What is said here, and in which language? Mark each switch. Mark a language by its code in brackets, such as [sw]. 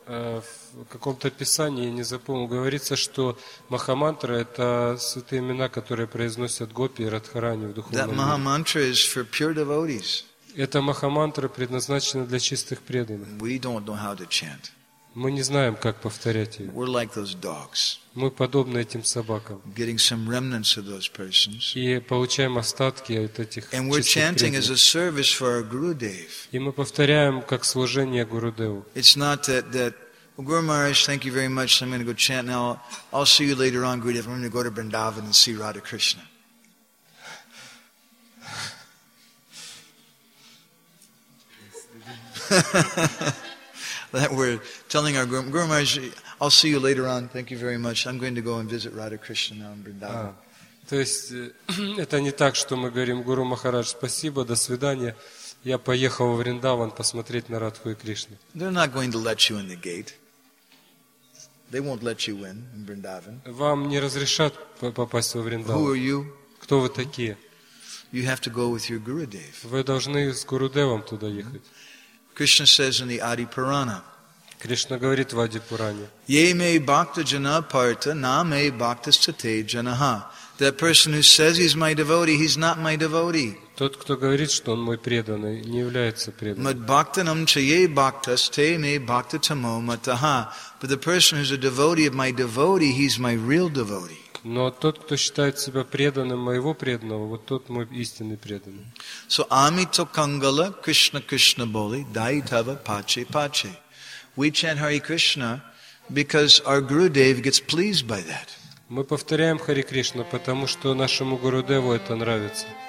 [ru] В каком-то писании, я не запомнил, говорится, что Махамантра – это святые имена, которые произносят гопи и Радхарани в духовном мире. [en] That Mahamantra is for pure devotees. [ru] Эта Махамантра предназначена для чистых преданных. [en] We don't know how to chant. [ru] Мы не знаем, как повторять ее. [en] We're like those dogs. [ru] Мы подобны этим собакам. [en] Getting some remnants of those persons. [ru] И получаем остатки от этих чистых преданных. [en] And we're chanting as a service for our Gurudev. [ru] И мы повторяем как служение Гурудеву. [en] It's not that Guru Maharaj, thank you very much. I'm going to go chant now. I'll see you later on, Gurudev. I'm going to go to Vrindavan and see Radha Krishna. That we're telling our Guru Maharaj, I'll see you later on. Thank you very much. I'm going to go and visit Radha Krishna now in Vrindavan. [ru] То есть это не так, что мы говорим Гуру Махарадж, спасибо, до свидания. Я поехал в Вриндаван посмотреть на Радху и Кришну. [en] They're not going to let you in the gate. They won't let you in Vrindavan. [ru] Вам не разрешат попасть во Вриндаван. [en] Who are you? [ru] Кто вы такие? [en] You have to go with your Gurudev. [ru] Вы должны с Гурудевом туда ехать. [en] Krishna says in the Adi Purana. [ru] Кришна говорит в Ади Пуране. [sa] Yeme bhakta jana parta name bhaktasthate janaha. [en] That person who says he's my devotee, he's not my devotee. [ru] Тот, кто говорит, что он мой преданный, не является преданным. [sa] Mad bhaktanam chaye bhaktasthe me bhaktatamo mataha. [en] But the person who's a devotee of my devotee, he's my real devotee. [ru] Но тот, кто считает себя преданным моего преданного, вот тот мой истинный преданный. [bn] So amito kangala krishna krishna boli daitava pache pache. [en] We chant Hare Krishna because our Gurudev gets pleased by that. [ru] Мы повторяем Хари Кришна, потому что нашему Гурудеву это нравится.